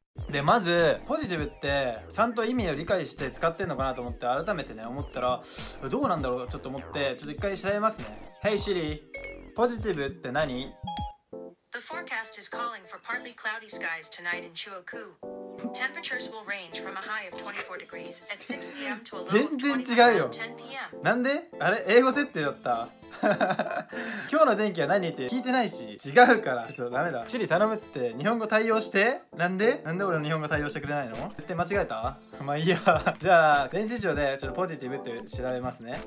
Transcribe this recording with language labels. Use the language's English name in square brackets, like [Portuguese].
[Japanese] で、まずポジティブってちゃんと意味を理解して使ってんのかなと思って改めてね思ったら、どうなんだろうちょっと思って、ちょっと一回調べますね。 Hey Siri、 ポジティブって何？ [English] The forecast is calling for partly cloudy skies tonight in Chuuk. Temperatures will range from a high of 24 degrees at 6 p.m. to a low of 21 degrees at 10 p.m. [Japanese] なんで？あれ英語設定だった今日の天気は何って聞いてないし、違うからちょっとダメだ。チリ頼むって日本語対応して。なんで、なんで俺の日本語対応してくれないの？絶対間違えた。まあいいやじゃあ電子帳でちょっとポジティブって調べますね。